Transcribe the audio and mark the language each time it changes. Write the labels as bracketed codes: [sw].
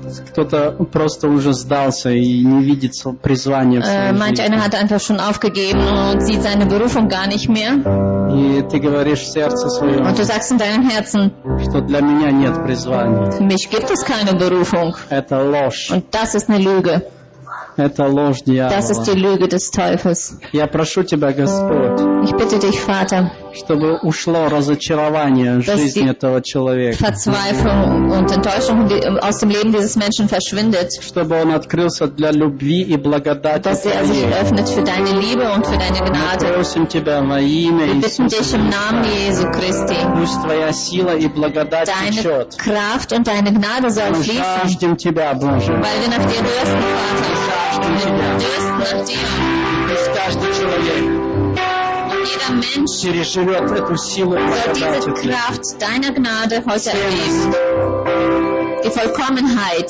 [ru] Кто-то просто уже сдался и не видит призвание в своей жизни. [de] Manche einer hat einfach schon aufgegeben und sieht seine Berufung gar nicht mehr. [ru] И ты говоришь в сердце своем. [de] Und du sagst in deinem Herzen. [ru] Что для меня нет призвания. [de] Für mich gibt es keine Berufung. [ru] Это ложь. [de] Und das ist eine Lüge. [ru] Это ложь дьявола. [de] Das ist die Lüge des Teufels. [ru] Я прошу тебя, Господь. [de] Ich bitte dich, Vater. [ru] Чтобы ушло разочарование жизни этого человека. [de] Verzweiflung und Enttäuschung aus dem Leben dieses Menschen verschwindet. [ru] Чтобы он открылся для любви и благодати. [de] Dass er sich öffnet für deine Liebe und für deine Gnade. [ru] Мы просим тебя во имя Иисуса. [de] Wir bitten dich im Namen Jesu Christi. [ru] Пусть твоя сила и благодать течет. [de] Deine Kraft und deine Gnade soll fließen. [ru] Мы жаждем тебя, Боже. [de] Weil wir nach dir dürsten, Vater. [ru] Мы жаждем тебя. Пусть каждый человек. [de] Jeder Mensch soll diese Kraft deiner Gnade heute erleben. Die Vollkommenheit.